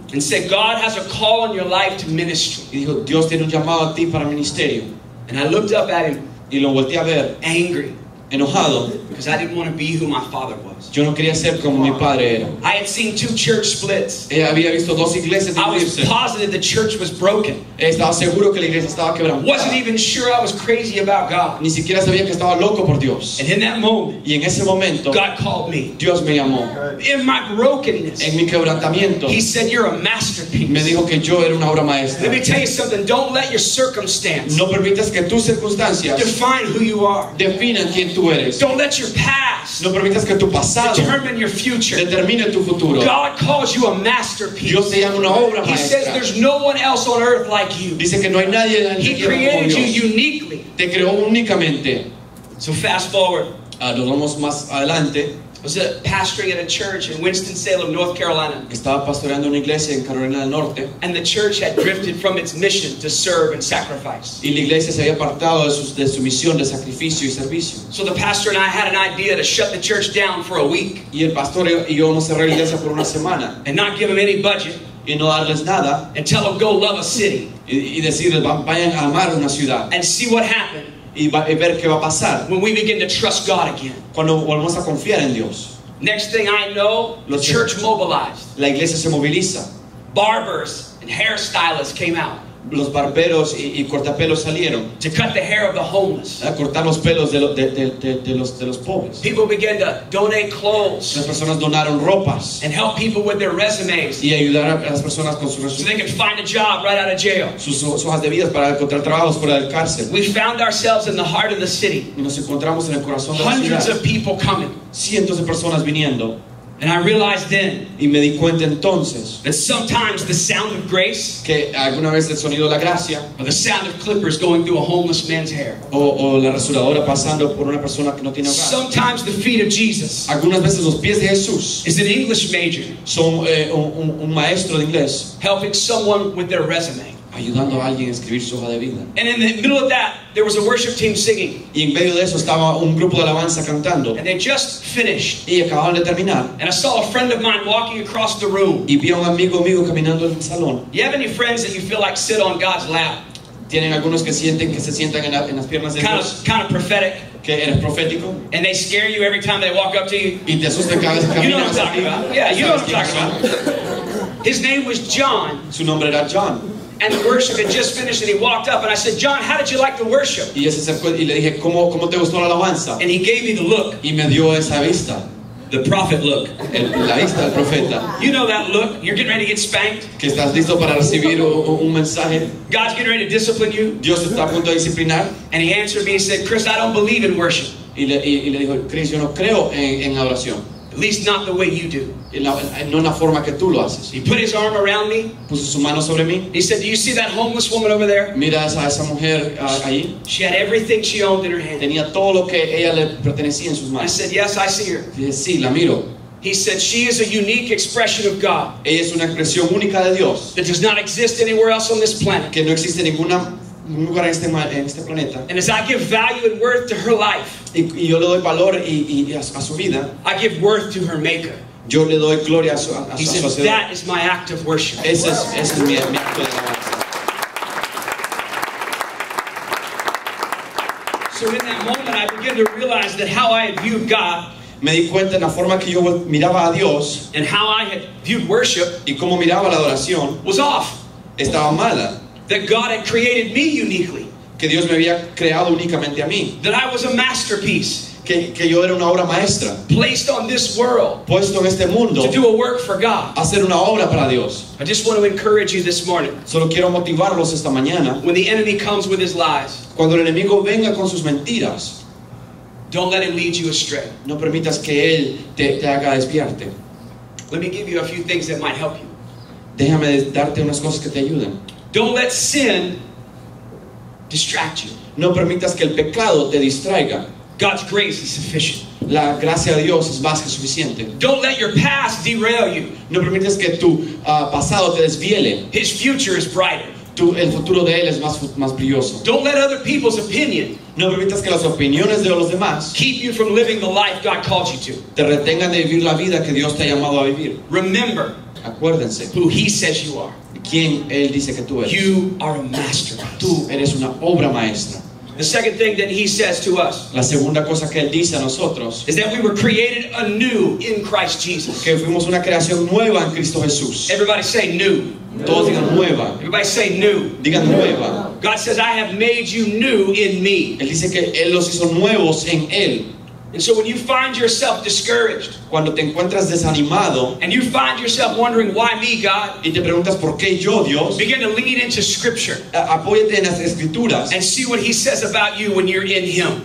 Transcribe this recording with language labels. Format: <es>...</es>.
<en>And said, "God has a call on your life to ministry."</en> <es>Y dijo, Dios tiene un llamado a ti para ministerio.</es> <en>And I looked up at him.</en> <es>Y lo volteé a ver.</es> <en>Angry.</en> <es>Enojado.</es> <en>Because I didn't want to be who my father was.</en> <es>Yo no quería ser como mi padre era.</es> <en>I had seen two church splits.</en> <es>Había visto dos iglesias divididas.</es> <en>I was positive the church was broken.</en> <es>Estaba seguro que la iglesia estaba quebrada.</es> <en>Wasn't even sure I was crazy about God.</en> <es>Ni siquiera sabía que estaba loco por Dios.</es> <en>And in that moment,</en> <es>y en ese momento,</es> <en>God called me.</en> <es>Dios me llamó.</es> <en>In my brokenness,</en> <es>en mi quebrantamiento,</es> <en>he said, "You're a masterpiece."</en> <es>Me dijo que yo era una obra maestra.</es> <en>Let me tell you something. Don't let your circumstance,</en> <es>no permitas que tus circunstancias,</es> <en>define who you are.</en> <es>Defina quién tú eres.</es> <en>Don't let your past,</en> <es>no permitas que tu pasado,</es> <en>determine your future.</en> <es>Determine tu futuro.</es> <en>God calls you a masterpiece.</en> <es>Dios te llama una obra</es> <en>he</en> <es>maestra.</es> <en>Says there's no one else on earth like you.</en> <es>Dice que no hay nadie</es> <en>he created you uniquely.</en> <es>Te creó únicamente.</es> <en>So fast forward.</en> <es>Nos vamos más adelante.</es> <en>I was pastoring at a church in Winston-Salem, North Carolina.</en> <es>Estaba pastoreando una iglesia en Carolina del Norte.</es> <en>And the church had drifted from its mission to serve and sacrifice.</en> <es>Y la iglesia se había apartado de su misión de sacrificio y servicio.</es> <en>So the pastor and I had an idea to shut the church down for a week.</en> <es>Y el pastor y yo vamos a cerrar la iglesia por una semana.</es> <en>And not give them any budget.</en> <es>Y no darles nada.</es> <en>And tell them, "Go love a city."</en> <es>Y decirles, vayan a amar una ciudad.</es> <en>And see what happened.</en> <es>Y ver qué va a pasar.</es> <en>When we begin to trust God again.</en> <es>Cuando volvemos a confiar en Dios.</es> <en>Next thing I know, the church mobilized.</en> <es>La iglesia se moviliza.</es> <en>Barbers and hairstylists came out.</en> <es>los barberos y cortapelos salieron.</es> <en>To cut the hair of the homeless.</en> <es>A cortar los pelos de los pobres.</es> <en>People began to donate clothes.</en> <es>Las personas donaron ropas.</es> <en>And help people with their resumes.</en> <es>Y ayudar a las personas con sus resúmenes.</es> <en>So they could find a job right out of jail.</en> <es>Sus hojas de vida para encontrar trabajos fuera de la cárcel.</es> <en>We found ourselves in the heart of the city.</en> <es>Y nos encontramos en el corazón de la ciudad.</es> <en>Hundreds of people coming.</en> <es>Cientos de personas viniendo.</es> <en>And I realized then,</en> <es>y me di cuenta entonces,</es> <en>that sometimes the sound of grace,</en> <es>que alguna vez el sonido de la gracia,</es> <en>or the sound of clippers going through a homeless man's hair,</en> <es>o la rasuradora pasando por una persona que no tiene hogar,</es> <en>sometimes the feet of Jesus,</en> <es>algunas veces los pies de Jesús,</es> <en>is an English major,</en> <es>son un maestro de inglés,</es> <en>helping someone with their resume.</en> <es>Ayudando a alguien a escribir su hoja de vida.</es> <en>And in the middle of that, there was a worship team singing.</en> <es>Y en medio de eso estaba un grupo de alabanza cantando.</es> <en>And they just finished.</en> <es>Y acababan de terminar.</es> <en>And I saw a friend of mine walking across the room.</en> <es>Y vi a un amigo mío caminando en el salón.</es> <en>You have any friends that you feel like sit on God's lap?</en> <es>Tienen algunos que sienten que se sientan en las piernas de Dios.</es> <en>Kind of prophetic.</en> <es>Que eres profético.</es> <en>And they scare you every time they walk up to you.</en> <es>Y te asustan cada vez que caminas.</es> <en>You know what I'm talking about. Yeah, you know what I'm talking about. His name was John.</en> <es>Su nombre era John.</es> <en>And the worship had just finished, and he walked up, and I said, "John, how did you like the worship?"</en> <es>Y ese se fue, y le dije, ¿Cómo te gustó la alabanza?</es> <en>And he gave me the look.</en> <es>Y me dio esa vista.</es> <en>The prophet look.</en> <es>La vista del profeta.</es> <en>You know that look. You're getting ready to get spanked.</en> <es>Que estás listo para recibir un mensaje.</es> <en>God's getting ready to discipline you.</en> <es>Dios está a punto de disciplinar.</es> <en>And he answered me and said, "Chris, I don't believe in worship."</en> <es>Y le dijo, Chris, yo no creo en adoración.</es> <en>At least not the way you do.</en> <es>No en la forma que tú lo haces.</es> <en>He put his arm around me.</en> <es>Puso su mano sobre mí.</es> <en>He said, "Do you see that homeless woman over there?"</en> <es>Mira a esa mujer ahí.</es> <en>She had everything she owned in her hand.</en> <es>Tenía todo lo que ella le pertenecía en sus manos.</es> <en>I said, "Yes, I see her."</en> <es>Dije, sí, la miro.</es> <en>He said, "She is a unique expression of God."</en> <es>Ella es una expresión única de Dios.</es> <en>That does not exist anywhere else on this planet.</en> <es>Que no existe ninguna lugar en este planeta.</es> <en>And as I give value and worth to her life,</en> <es>y yo le doy valor y a su vida,</es> <en>I give worth to her maker.</en> <es>Yo le doy gloria a su hacedor.</es> <en>He said, "That is my act of worship."</en> <es>Ese es mi acto de alabanza.</es> <en>So in that moment, I began to realize that how I had viewed God,</en> <es>me di cuenta en la forma que yo miraba a Dios,</es> <en>and how I had viewed worship,</en> <es>y cómo miraba la adoración,</es> <en>was off.</en> <es>Estaba mala.</es> <en>That God had created me uniquely.</en> <es>Que Dios me había creado únicamente a mí.</es> <en>That I was a masterpiece.</en> <es>Que yo era una obra maestra.</es> <en>Placed on this world.</en> <es>Puesto en este mundo.</es> <en>To do a work for God.</en> <es>Hacer una obra para Dios.</es> <en>I just want to encourage you this morning.</en> <es>Solo quiero motivarlos esta mañana.</es> <en>When the enemy comes with his lies.</en> <es>Cuando el enemigo venga con sus mentiras.</es> <en>Don't let him lead you astray.</en> <es>No permitas que él te haga desviarte.</es> <en>Let me give you a few things that might help you.</en> <es>Déjame darte unas cosas que te ayuden.</es> <en>Don't let sin distract you.</en> <es>No permitas que el pecado te distraiga.</es> <en>God's grace is sufficient.</en> <es>La gracia de Dios es más que suficiente.</es> <en>Don't let your past derail you.</en> <es>No permitas que tu pasado te desviele.</es> <en>His future is brighter.</en> <es>El futuro de él es más brilloso.</es> <en>Don't let other people's opinion.</en> <es>No permitas que las opiniones de los demás</es> <en>keep you from living the life God called you to.</en> <es>Te retengan de vivir la vida que Dios te ha llamado a vivir.</es> <en>Remember.</en> <es>Acuérdense.</es> <en>Who he says you are.</en> <es>Quien él dice que tú eres.</es> <en>You are a masterpiece.</en> <es>Tú eres una obra maestra.</es> <en>The second thing that he says to us.</en> <es>La segunda cosa que él dice a nosotros.</es> <en>Is that we were created anew in Christ Jesus.</en> <es>Que fuimos una creación nueva en Cristo Jesús.</es> <en>Everybody say new.</en> <es>Todos digan nueva.</es> <en>Everybody say new.</en> <es>Digan nueva.</es> <en>God says, "I have made you new in me."</en> <es>Él dice que él los hizo nuevos en él.</es> <en>And so when you find yourself discouraged,</en> <es>cuando te encuentras desanimado,</es> <en>and you find yourself wondering why me, God,</en> <es>y te preguntas por qué yo, Dios,</es> <en>begin to lean into Scripture.</en> <es>Apóyate en las escrituras,</es> <en>and see what he says about you when you're in him.</en>